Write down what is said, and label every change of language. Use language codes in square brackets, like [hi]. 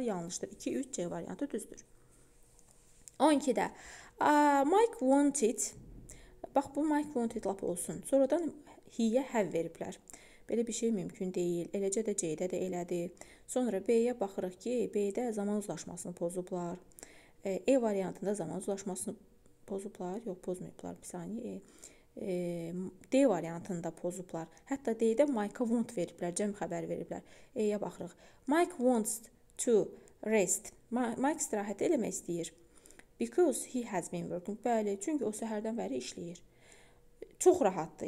[az] Yanlışdır. 2-3-C variantı düzdür. 12-də [en] Mike wanted, [az] bax bu Mike wanted lap olsun, sonradan he-yə have veriblər. Belə bir şey mümkün deyil, eləcə də C-də də elədi. Sonra B-yə baxırıq ki, B-də zaman uzlaşmasını pozublar. E variantında zaman uzlaşmasını pozublar, yox pozmayıblar bir saniyə. D variantında pozublar, hətta D-də Mike-a want veriblər, cəmi xəbər veriblər. E-yə baxırıq, [en] Mike wants to rest, [az] Mike istirahət eləmək istəyir. [en] Because he has been working. [az] Bəli, çünki o səhərdən bəri işləyir. Çox rahatdır.